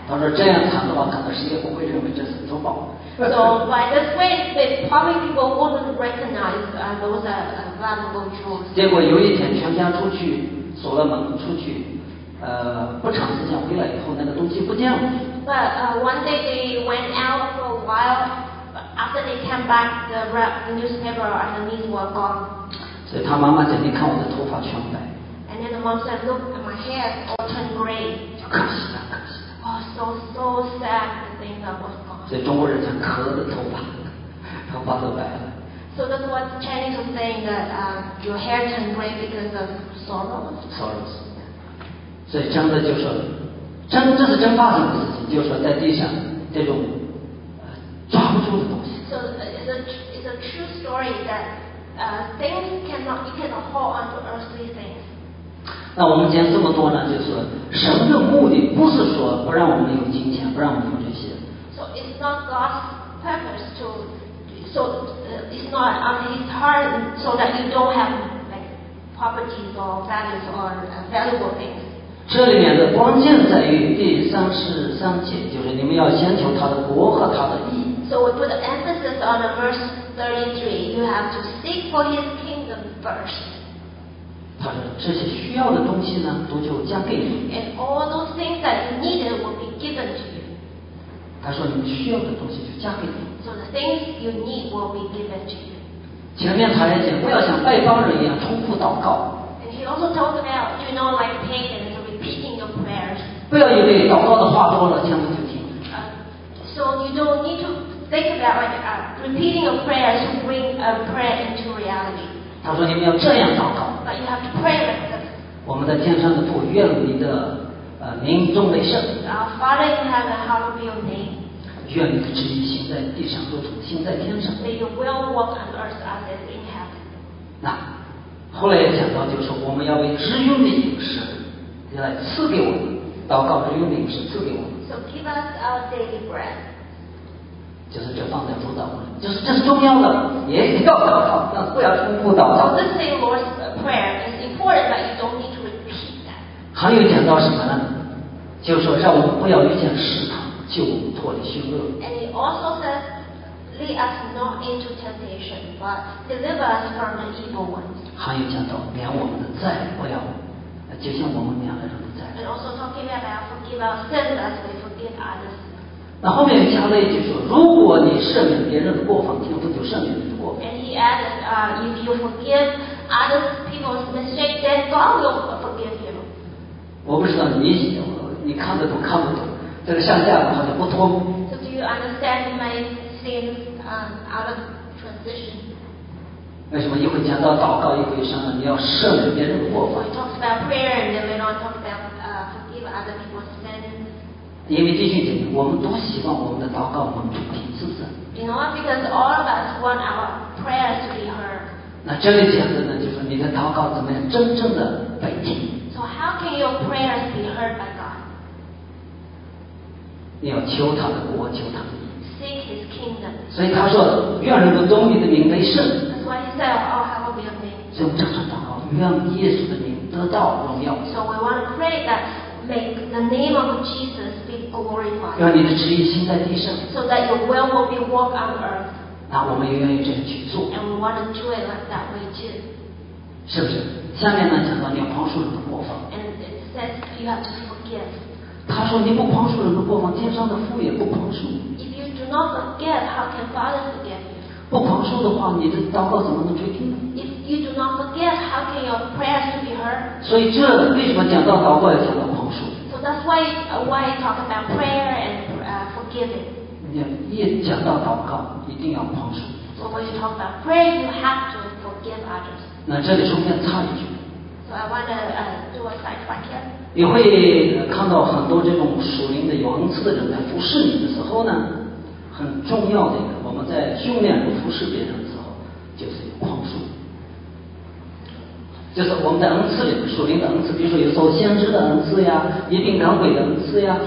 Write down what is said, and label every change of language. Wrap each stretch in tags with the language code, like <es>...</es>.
<zh>他说这样藏的话，可能谁也不会认为这是珠宝。</zh> <en>So by this way, probably people wouldn't recognize those valuable jewels.</en> <zh>结果有一天，全家出去锁了门出去，不长时间回来以后，那个东西不见了。</zh> <en>But one day they went out for a while. After they came back, the newspaper underneath were gone.</en> <zh>所以她妈妈讲：“你看我的头发全白。”</zh> <en>And then the mom said, "Look, my hair all turned gray."</en> <zh>可惜了，可惜了。</zh> <en>Oh, so sad to think that was gone.</en> <zh>所以中国人讲：“壳子头发都白了。”</zh> <en>So that's what Chinese are saying that your hair turned gray because of sorrow. Sorrows.</en> <zh>所以真的就是，真这是真发生的事情，就是说在地上这种。抓不住的东西。</zh> <en>So it's a true story that things cannot you cannot hold onto earthly things.</en> <zh>那我们讲这么多呢，就是神的目的不是说不让我们有金钱，不让我们有这些。</zh> <en>So it's not God's purpose to so it's not on His heart so that you don't have like properties or values or valuable things.</en> <zh>这里面的关键在于第33节，就是你们要先求他的国和他的义。</zh> <en>So we put emphasis on the verse 33. You have to seek for his kingdom first.</en> <zh>他说这些需要的东西呢，都就加给你。</zh> <en>And all those things that you needed will be given to you.</en> <zh>他说你们需要的东西就加给你。</zh> <en>So the things you need will be given to you.</en> <zh>前面他还讲不要像外邦人一样重复祷告。</zh> <en>And he also talked about you know like pagans. Repeating your prayers.</en> <zh>不要以为祷告的话多了，天父就听。</zh> <en>So you don't need to think about like repeating a prayer to bring a prayer into reality.</en> <zh>他说你们要这样祷告。</zh> <en>But you have to pray like this.</en> <zh>我们的天上的父，愿你的名尊为圣。</zh> <en>Our Father in heaven, hallowed be your name.</en> <zh>愿你的旨意行在地上如同行在天上。</zh> <en>May your will walk on earth as it is in heaven.</en> <zh>那后来也讲到，就是我们要为知用的饮食来赐给我们，祷告知用的饮食赐给我们。</zh> <en>So give us our daily bread.</en> <zh>就是这放在主祷告，就是这是重要的，也要祷告，但不要重复祷告。</zh> <en>So this same Lord's prayer is important, but you don't need to repeat that.</en> <zh>还有讲到什么呢？就是说让我们不要遇见试探，救我们脱离凶恶。</zh> <en>And he also says, lead us not into temptation, but deliver us from the evil one.</en> <zh>还有讲到免我们的债，不要，就像我们免了人的债。</zh> <en>And also talking about forgive us, send us, we forgive others.</en> <zh>那后面加了一句说，如果你赦免别人的过犯，天父就赦免你的过犯。</zh> <en>And he added, if you forgive other people's mistake, then God will forgive you.</en> <zh>我不知道你喜欢。你看得懂看不懂，这个上下好像不通。</zh> <en>So do you understand my things out of transition?</en> <zh>为什么一会讲到祷告，一会上了你要赦免别人的过犯？</zh> <en>We talk about prayer and then we don't talk about forgive other people's sins.</en> <zh>因为弟兄姐妹，我们都希望我们的祷告能听听，是不是？</zh> <en>You know, because all of us want our prayers to be heard.</en> <zh>那这里讲的呢，就是你的祷告怎么样真正的被听。</zh> <en>So how can your prayers be heard by God?</en> <zh>你要求他的国，求他的义。</zh> <en>Seek his kingdom.</en> <zh>所以他说，愿人们尊你的名为圣。</zh> <en>That's why he said, all hallowed be your name.</en> <zh>所以我们常常祷告，愿耶稣的名得到荣耀。</zh> <en>So we want to pray that make the name of Jesus be glorified.</en> <zh>愿你的旨意行在地上。</zh> <en>So that your will be walk on earth.</en> <zh>那我们也愿意这样去做。</zh> <en>And we want to do it like that way too.</en> <zh>是不是？下面呢讲到你要宽恕人的过犯。</zh> <en>And it says you have to forgive.</en> <zh>他说：“你不宽恕人的过犯，天上的父也不宽恕你。</zh> <en>”If you do not forgive, how can Father forgive you?</en> <zh>不宽恕的话，你的祷告怎么能垂听呢</zh> <en>？If you do not forgive, how can your prayers be heard?</en> <zh>所以这为什么讲到祷告要讲到宽恕</zh> <en>？So that's why you talk about prayer and forgiving.</en> <zh>一讲到祷告，一定要宽恕。</zh> <en>So when you talk about prayer, you have to forgive others.</en> <zh>那这里顺便插一句。</zh> <en>So I want to do a side track here.</en> <zh>你会看到很多这种属灵的有恩赐的人在服侍你的时候呢，很重要的一个，我们在训练和服侍别人的时候，就是有宽恕。就是我们在恩赐里，属灵的恩赐，比如说有做先知的恩赐呀，一定赶鬼的恩赐呀。</zh>